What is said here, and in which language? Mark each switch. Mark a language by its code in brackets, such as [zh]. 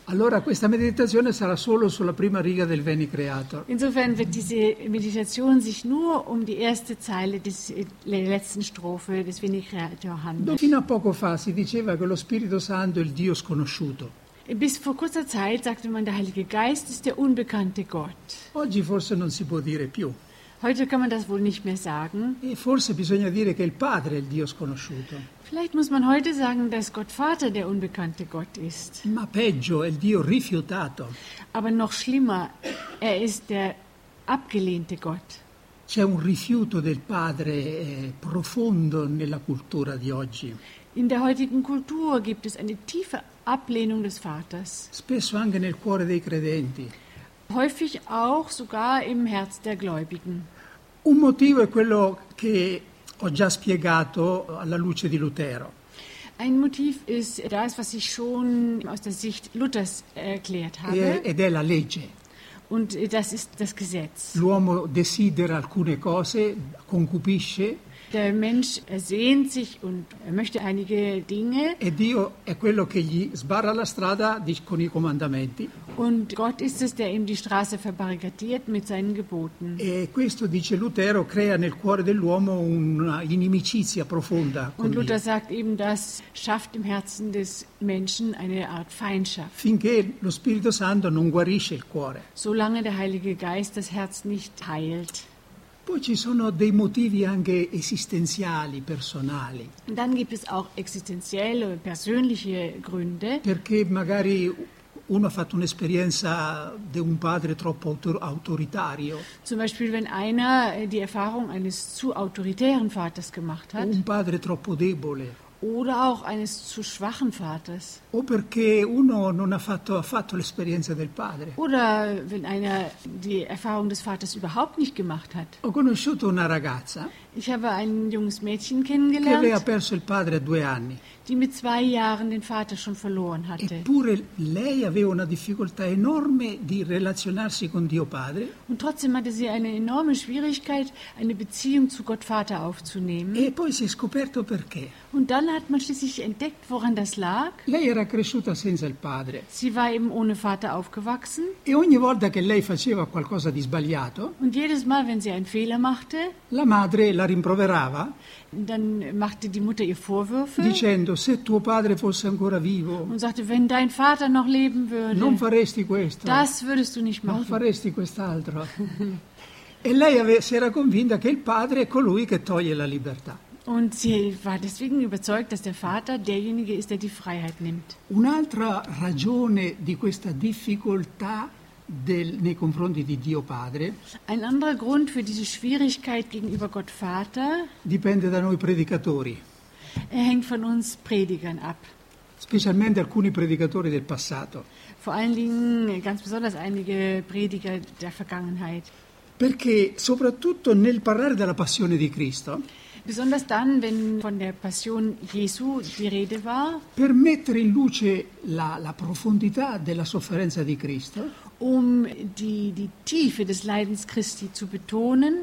[it] Allora questa meditazione sarà solo sulla prima riga del Veni Creator. [de] Insofern wird diese Meditation sich nur um die erste Zeile der letzten Strophe des Veni Creator handeln. [it] Fino a poco fa si diceva che lo Spirito Santo è il Dio sconosciuto. [de] Bis vor kurzer Zeit sagte man, der Heilige Geist ist der unbekannte Gott. [it] Oggi forse non si può dire più. [de] Heute kann man das wohl nicht mehr sagen. [it] E forse bisogna dire che il Padre è il Dio sconosciuto. [de] Vielleicht muss man heute sagen, dass Gott Vater der unbekannte Gott ist. [it] Ma peggio, è il Dio rifiutato. [de] Aber noch schlimmer, er ist der abgelehnte Gott. [it] C'è un rifiuto del Padre profondo nella cultura di oggi. [de] In der heutigen Kultur gibt es eine tiefe Ablehnung des Vaters. [it] Spesso anche nel cuore dei credenti. [de] Häufig auch sogar im Herz der Gläubigen. [it] Un motivo è quello che ho già spiegato alla luce di Lutero. [de] Ein Motiv ist das, was ich schon aus der Sicht Luthers erklärt habe. [it] Ed è la legge. [de] Und das ist das Gesetz. [it] L'uomo desidera alcune cose, concupisce. [de] Der Mensch sehnt sich und möchte einige Dinge. [it] E Dio è quello che gli sbarra la strada con i comandamenti. [de] Und Gott ist es, der ihm die Straße verbarrikadiert mit seinen Geboten. [it] E questo, dice Lutero, crea nel cuore dell'uomo una inimicizia profonda. [de] Und Luther sagt eben, das schafft im Herzen des Menschen eine Art Feindschaft. [it] Finché lo Spirito Santo non guarisce il cuore. [de] Solange der Heilige Geist das Herz nicht heilt. [it] Poi ci sono dei motivi anche esistenziali, personali. [de] Dann gibt es auch esistenzielle, persönliche Gründe. [it] Perché magari uno ha fatto un'esperienza di un padre troppo autoritario. [de] Zum Beispiel, wenn einer die Erfahrung eines zu autoritären Vaters gemacht hat. [it] Un padre troppo debole. [de] Oder auch eines zu schwachen Vaters. [it] O perché uno non ha fatto affatto l'esperienza del padre. [de] Oder wenn einer die Erfahrung des Vaters überhaupt nicht gemacht hat. [it] Ho conosciuto una ragazza. [de] Ich habe ein junges Mädchen kennengelernt. [it] Che aveva perso il padre a 2 anni. [de] Die mit 2 Jahren den Vater schon verloren hatte. [it] Eppure lei aveva una difficoltà enorme di relazionarsi con Dio Padre. [de] Und trotzdem hatte sie eine enorme Schwierigkeit, eine Beziehung zu Gott Vater aufzunehmen. [it] E poi si è scoperto perché. [de] Und dann hat man schließlich entdeckt, woran das lag. [it] Lei era cresciuta senza il padre. [de] Sie war eben ohne Vater aufgewachsen. [it] E ogni volta che lei faceva qualcosa di sbagliato. [de] Und jedes Mal, wenn sie einen Fehler machte. [it] La madre la rimproverava. [de] Dann machte die Mutter ihr Vorwürfe. [it] Dicendo, se tuo padre fosse ancora vivo. [de] Und sagte, wenn dein Vater noch leben würde. [it] Non faresti questo. [de] Das würdest du nicht machen. [it] Non faresti quest'altro. E lei si era convinta che il padre è colui che toglie la libertà. [de] Und sie war deswegen überzeugt, dass der Vater derjenige ist, der die Freiheit nimmt. [it] Un'altra ragione di questa difficoltà nei confronti di Dio Padre. [de] Ein anderer Grund für diese Schwierigkeit gegenüber Gott Vater. [it] Dipende da noi predicatori. [de] Er hängt von uns Predigern ab. [it] Specialmente alcuni predicatori del passato. [de] Vor allen Dingen ganz besonders einige Prediger der Vergangenheit. [it] Perché soprattutto nel parlare della passione di Cristo. [de] Besonders dann, wenn von der Passion Jesu die Rede war. [it] Per mettere in luce la profondità della sofferenza di Cristo. [de] Um die Tiefe des Leidens Christi zu betonen.